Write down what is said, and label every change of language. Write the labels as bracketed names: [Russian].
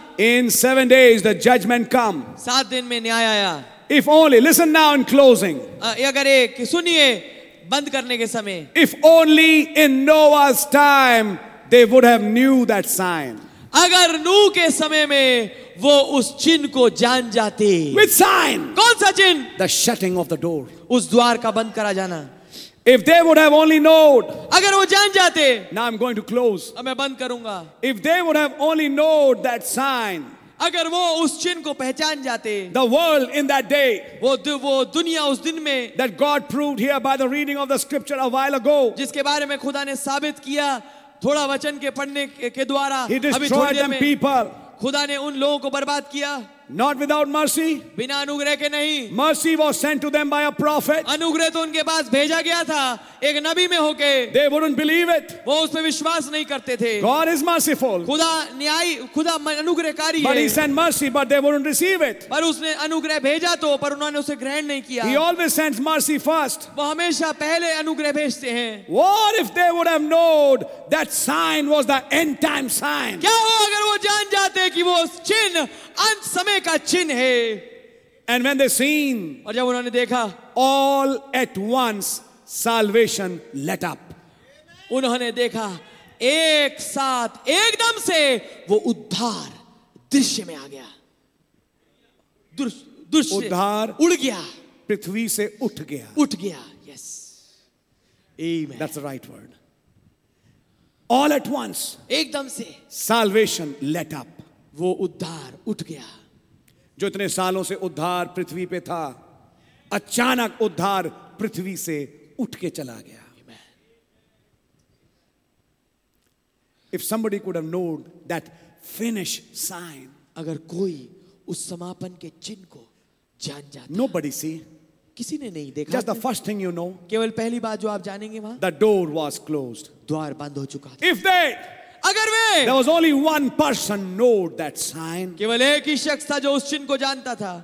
[English] In 7 days the judgment come. [Hindi] 7 दिन में न्याय आया. [English] If only, listen now in closing. [Hindi] अगर एक सुनिए बंद करने के समय. [English] If only in Noah's time they would have knew that sign. [Hindi] अगर नूह के समय में वो उस चिन्ह को जान जाते. [English] Which sign? [Hindi] कौन सा चिन्ह? [English] The shutting of the door. [Hindi] उस द्वार का बंद करा जाना. [English] If they would have only known. [Hindi] अगर वो जान जाते. [English] Now I'm going to close. [Hindi] अब मैं बंद करूंगा. [English] If they would have only known that sign. [Hindi] अगर वो उस चिन्ह को पहचान जाते. [English] The world in that day. [Hindi] वो दुनिया उस दिन में. [English] That God proved here by the reading of the scripture a while ago. [Hindi] जिसके बारे में खुदा ने साबित किया थोड़ा वचन के पढ़ने के द्वारा. [English] He destroyed them people. [Hindi] खुदा ने उन लोगों को बर्बाद किया. [English] Not without mercy. [Hindi] बिना अनुग्रह के नहीं. [English] Mercy was sent to them by a prophet. [Hindi] अनुग्रह तो उनके पास भेजा गया था एक नबी में होके. [English] They wouldn't believe it. [Hindi] वो उस पे विश्वास नहीं करते थे. [English] God is merciful. [Hindi] खुदा न्यायी, खुदा अनुग्रहकारी [English] है. But he sent mercy, but they wouldn't receive it. [Hindi] पर उसने अनुग्रह भेजा तो पर उन्होंने उसे ग्रहण नहीं किया. [English] He always sends mercy first. [Hindi] वो हमेशा पहले अनुग्रह भेजते हैं. [English] What if they would have known that sign was the end time sign? [Hindi] क्या हो अगर वो जान जाते कि वो चिन्ह अंत समय का चिन्ह है. [English] And when they seen, [Hindi] और जब उन्होंने देखा, [English] all at once salvation lit up. [Hindi] उन्होंने देखा, एक साथ, एकदम से वो उद्धार दृश्य में आ गया. दृश्य उद्धार उड़ गया, पृथ्वी से उठ गया. उठ गया, yes. Amen. [English] That's the right word. All at once, [Hindi] एकदम से [English] salvation lit up. [Hindi] वो उद्धार उठ गया. जो इतने सालों से उद्धार पृथ्वी पे था, अचानक उद्धार पृथ्वी से उठ के चला गया. [English] if somebody could have known that finish sign, [Hindi] अगर कोई उस समापन के चिन्ह को जान जाता. [English] Nobody see. [Hindi] किसी ने नहीं देखा. [English] Just the first thing you know, [Hindi] केवल पहली बात जो आप जानेंगे वहां, [English] the door was closed. [Hindi] द्वार बंद हो चुका था. [English] If they, [Hindi] अगर वे, [English] there was only one person know that sign. [Hindi] केवल एक ही शख्स था जो उस चिन्ह को जानता था.